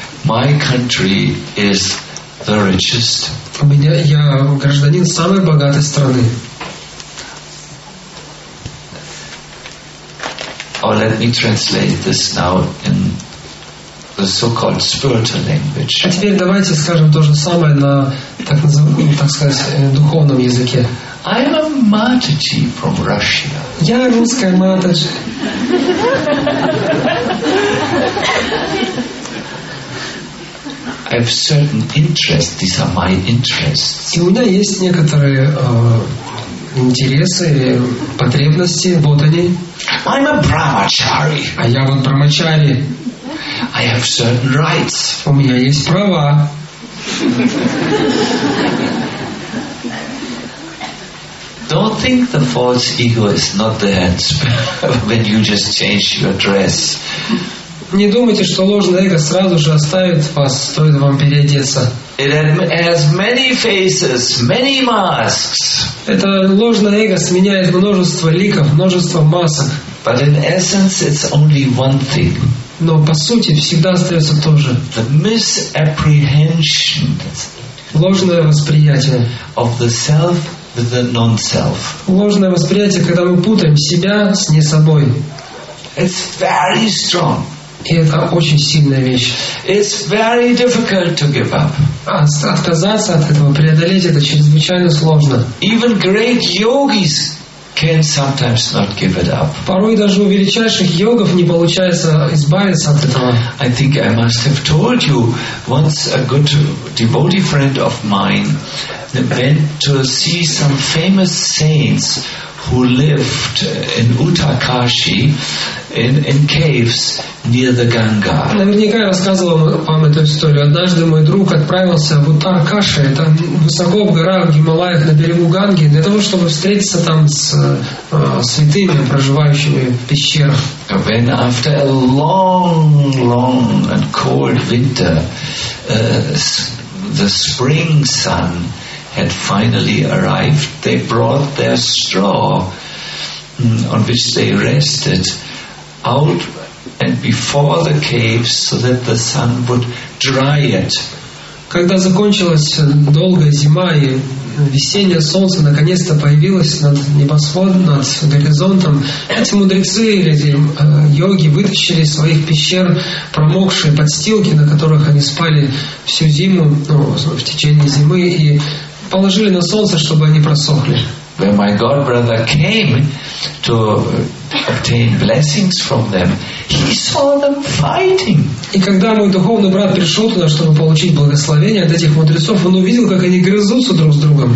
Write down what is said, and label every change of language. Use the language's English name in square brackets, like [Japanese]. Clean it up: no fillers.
[English] My country is the richest. [Russian] Я гражданин самой богатой страны. [English] Or let me translate this now in the so-called spiritual language. [Russian] А теперь давайте скажем то же самое на так сказать духовном языке. [English] I am a Matachi from Russia. [Russian] Я русская Матачи. [English] I have certain interests. These are my interests. [Russian] И у меня есть некоторые интересы, потребности. Вот они. [English] I'm a brahmachari. [Russian] А я вот брахмачари. [English] I have certain rights. [Russian] У меня есть права. [English] Don't think the false ego is not there when you just change your dress. [Russian] Не думайте, что ложное эго сразу же оставит вас, стоит вам переодеться. [English] It has many faces, many masks. [Russian] Это ложное эго сменяет множество ликов, множество масок. [English] But in essence, it's only one thing. [Russian] Но по сути всегда остается то же. [English] The misapprehension. [Russian] Ложное восприятие. [English] Of the self with the non-self. [Russian] Ложное восприятие, когда мы путаем себя с не собой. [English] It's very strong. [Russian] И это очень сильная вещь. [English] It's very difficult to give up. [Russian] Отказаться от этого, преодолеть это чрезвычайно сложно. [English] Even great yogis can sometimes not give it up. [Russian] Порой даже у величайших йогов не получается избавиться от этого. [English] I think I must have told you once a good devotee friend of mine went to see some famous saints who lived in Uttarkashi in caves near the Ganga. [Russian] Наверняка я рассказывал вам эту историю. Однажды мой друг отправился в Уттаркаши, это высоко в горах, в Гималаях, на берегу Ганги, для того, чтобы встретиться там с святыми, проживающими в пещерах. [English] When after a long and cold winter, the spring sun had finally arrived, they brought their straw on which they rested out and before the caves so that the sun would dry it. [Russian] Когда закончилась долгая зима и весеннее солнце наконец-то появилось над небосводом, над горизонтом, эти мудрецы или йоги вытащили из своих пещер промокшие подстилки, на которых они спали всю зиму, ну, в течение зимы, и положили на солнце, чтобы они просохли. [English] When my god brother came to obtain blessings from them, he saw them fighting. [Russian] И когда мой духовный брат пришел туда, чтобы получить благословение от этих мудрецов, он увидел, как они грызутся друг с другом.